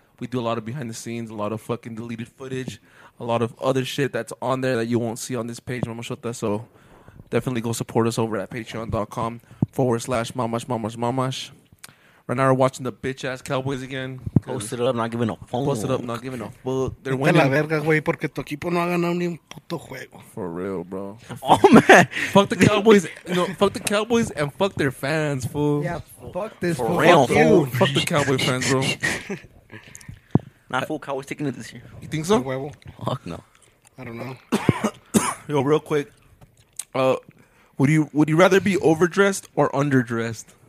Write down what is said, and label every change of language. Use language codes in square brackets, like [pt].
[en] We do a lot of behind the scenes, a lot of fucking deleted footage, a lot of other shit that's on there that you won't see on this page, Mamashota. So definitely go support us over at patreon.com/mamashmamashmamash. Right now we're watching the bitch-ass Cowboys again. Posted up, not giving a fuck. Posted up, not giving a fuck. They're winning. [es] La verga, güey, porque tu equipo no ha ganado ni un puto juego. [en] For real, bro. Oh, man. Fuck the Cowboys. No, fuck the Cowboys and fuck their fans, fool. Yeah, fuck this. For real, fool. Fuck the Cowboy fans, bro. Not full Cowboys taking it this year. You think so? [es] Huevo. [en] Fuck no. I don't know. Yo, real quick. Would you rather be overdressed or underdressed?